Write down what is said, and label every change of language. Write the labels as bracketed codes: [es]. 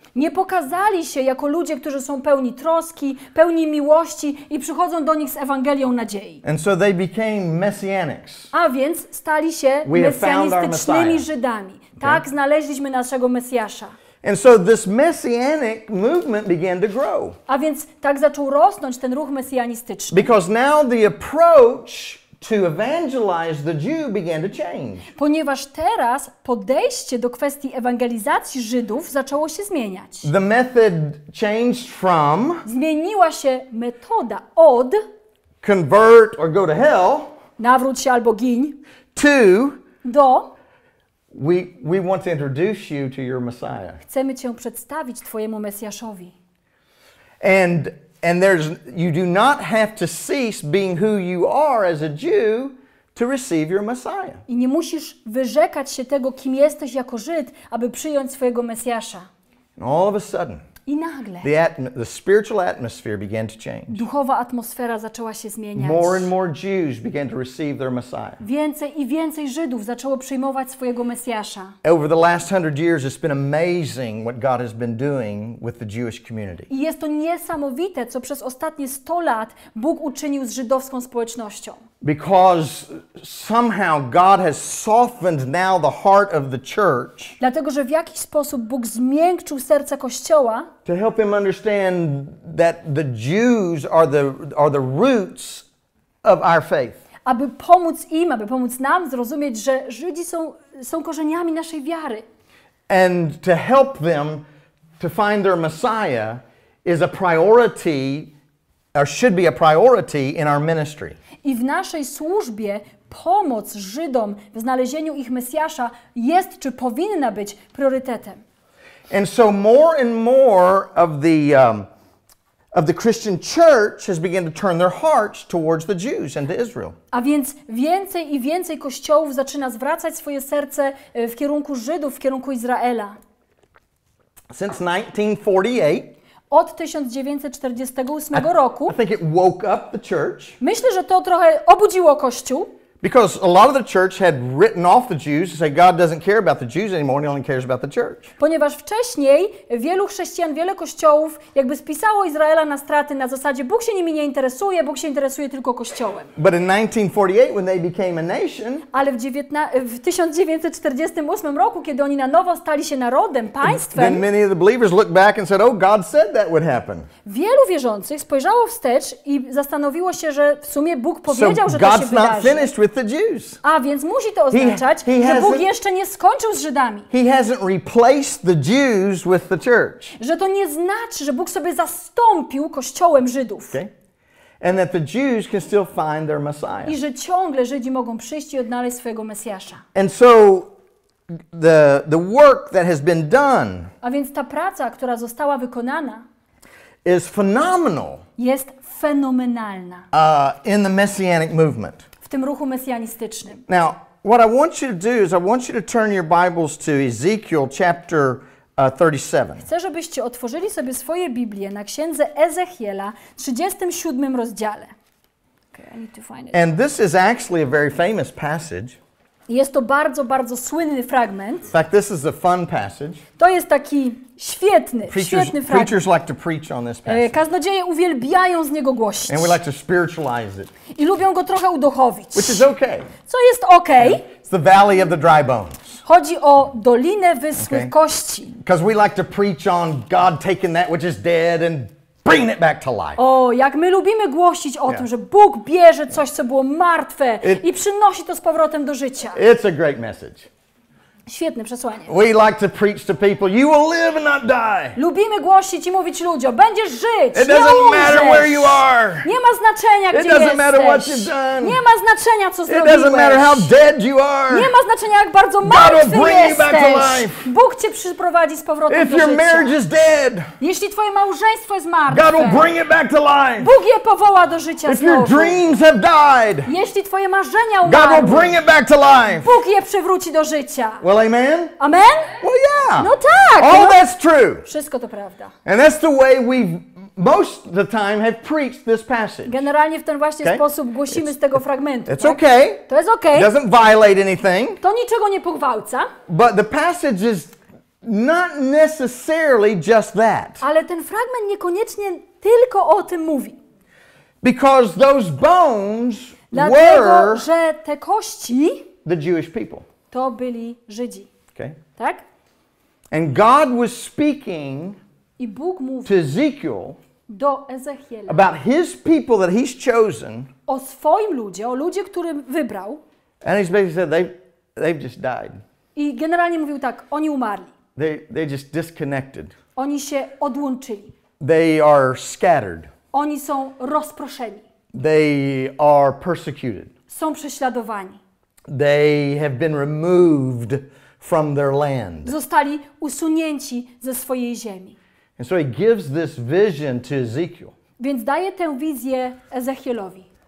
[pl] Nie pokazali się jako ludzie, którzy są pełni troski, pełni miłości i przychodzą do nich z Ewangelią nadziei. [en] And so they became messianics. [pl] A więc stali się mesjanistycznymi Żydami. Tak, okay? Znaleźliśmy naszego Mesjasza. [en] And so this messianic movement began to grow. [pl] A więc tak zaczął rosnąć ten ruch mesjanistyczny. [en] Because now the approach to evangelize the Jew began to change. [pl] Ponieważ teraz podejście do kwestii ewangelizacji Żydów zaczęło się zmieniać. [en] The method changed from. [pl] Zmieniła się metoda od. [en] Convert or go to hell. [pl] Nawróć się albo giń. [en] To. [pl] Do. [en] We want to introduce you to your Messiah. [pl] Chcemy cię przedstawić twojemu Mesjaszowi. [en] And there's you do not have to cease being who you are as a Jew to receive your Messiah. [pl] I nie musisz wyrzekać się tego, kim jesteś jako Żyd, aby przyjąć swojego Mesjasza. [en] And all of a sudden, [pl] i nagle, [en] the spiritual atmosphere began to change. [pl] Duchowa atmosfera zaczęła się zmieniać. [en] More and more Jews began to receive their Messiah. [pl] Więcej i więcej Żydów zaczęło przyjmować swojego Mesjasza. [en] Over the last 100 years, it's been amazing what God has been doing with the Jewish community. [pl] I jest to niesamowite, co przez ostatnie 100 lat Bóg uczynił z żydowską społecznością. [en] Because somehow God has softened now the heart of the church. [pl] Dlatego, że w jakiś sposób Bóg zmiękczył serce kościoła. [en] To help him understand that the Jews are the roots of our faith. [pl] Aby pomóc im, aby pomóc nam zrozumieć, że Żydzi są korzeniami naszej wiary. [en] And to help them to find their Messiah is a priority, or should be a priority in our ministry. [pl] I w naszej służbie pomoc Żydom w znalezieniu ich Mesjasza jest czy powinna być priorytetem. [en] And so more and more of the Christian church has begun to turn their hearts towards the Jews and to Israel. [pl] A więc więcej i więcej kościołów zaczyna zwracać swoje serce w kierunku Żydów, w kierunku Izraela. [en] Since 1948 [pl] od 1948 roku. [en] I think it woke up the church. [pl] Myślę, że to trochę obudziło kościół. [en] Because a lot of the church had written off the Jews and said God doesn't care about the Jews anymore, he only cares about the church. [pl] Ponieważ wcześniej wielu chrześcijan, wiele kościołów jakby spisało Izraela na straty na zasadzie Bóg się nimi nie interesuje, Bóg się interesuje tylko kościołem. [en] But in 1948 when they became a nation, [pl] ale w 1948 roku, kiedy oni na nowo stali się narodem, państwem, [en] then many of the believers looked back and said, "Oh, God said that would happen." [pl] Wielu wierzących spojrzało wstecz i zastanowiło się, że w sumie Bóg powiedział, że God's to się wydarzy. [en] With the Jews. [pl] A więc musi to oznaczać, że Bóg jeszcze nie skończył z Żydami. [en] He hasn't replaced the Jews with the church. [pl] Że to nie znaczy, że Bóg sobie zastąpił kościołem Żydów. [en] Okay. And that the Jews can still find their Messiah. [pl] I że ciągle Żydzi mogą przyjść i odnaleźć swojego Mesjasza. [en] And so the work that has been done. [pl] A więc ta praca, która została wykonana, [en] is phenomenal. [pl] Jest fenomenalna. [en] In the messianic movement. [pl] W tym ruchu mesjanistycznym. [en] Now, what I want you to do is I want you to turn your Bibles to Ezekiel chapter 37. [pl] Chcę, żebyście otworzyli sobie swoje Biblię na księdze Ezechiela, 37 rozdziale. [en] Okay, I need to find it. And this is actually a very famous passage. [pl] Jest to bardzo, bardzo słynny fragment. [en] In fact, this is a fun passage. [pl] To jest taki świetny, [en] preachers, [pl] świetny fragment. [en] Preachers like to preach on this passage. [pl] Kaznodzieje uwielbiają z niego głosić. [en] And we like to spiritualize it. [pl] I lubią go trochę uduchowić. [en] Which is okay. [pl] Co jest okay. [en] It's the valley of the dry bones. [pl] Chodzi o dolinę wyschłych kości. [en] Because we like to preach on God taking that which is dead and bring it back to life. [pl] O, jak my lubimy głosić o tym, że Bóg bierze coś, co było martwe i przynosi to z powrotem do życia. [en] It's a great message. [pl] Świetne przesłanie. [en] We like to preach to people, you will live and not die. [pl] Lubimy głosić i mówić ludziom, będziesz żyć, [en] it doesn't [pl] nie [en] matter where you are. [pl] Nie ma znaczenia, gdzie [en] it doesn't [pl] jesteś. [en] Matter what you've done. [pl] Nie ma znaczenia, co [en] it [pl] zrobiłeś. [en] Doesn't matter how dead you are. [pl] Nie ma znaczenia, jak bardzo martwy [en] God will bring [pl] jesteś. [en] You back to life. [pl] Bóg cię przyprowadzi z powrotem [en] if [pl] do [en] your [pl] życia. [en] Marriage is dead, [pl] jeśli twoje małżeństwo jest martwe, [en] God will bring it back to life. [pl] Bóg je powoła do życia [en] if [pl] znowu. [en] Your dreams have died, [pl] jeśli twoje marzenia umarły, [en] God will bring it back to life. [pl] Bóg je przywróci do życia. [en] Well, amen. [pl] Amen. [en] Well, yeah. [pl] No tak. [en] All [pl] no. [en] That's true. [pl] Wszystko to prawda. [en] And that's the way we most of the time have preached this passage. [pl] Generalnie w ten właśnie sposób głosimy z tego fragmentu. [en] It's okay. [pl] To jest okay. [en] It doesn't violate anything. [pl] To niczego nie pogwałca. [en] But the passage is not necessarily just that. [pl] Ale ten fragment niekoniecznie tylko o tym mówi. [en] Because those bones [pl] dlatego, [en] were [pl] że te kości [en] the Jewish people. [pl] To byli Żydzi. [en] Okay. [pl] Tak? [en] And God was speaking [pl] i Bóg mówi [en] to Ezekiel [pl] do Ezechiela [en] about his people that he's chosen. [pl] O swoim ludzie, o ludzie, którym wybrał. [en] And he basically said they've just died. [pl] I generalnie mówił tak, oni umarli. [en] They just disconnected. [pl] Oni się odłączyli. [en] They are scattered. [pl] Oni są rozproszeni. [en] They are persecuted. [pl] Są prześladowani. [en] They have been removed from their land. [pl] Zostali usunięci ze swojej ziemi. [en] And so he gives this vision to Ezekiel. [pl] Więc daje tę wizję Ezechielowi.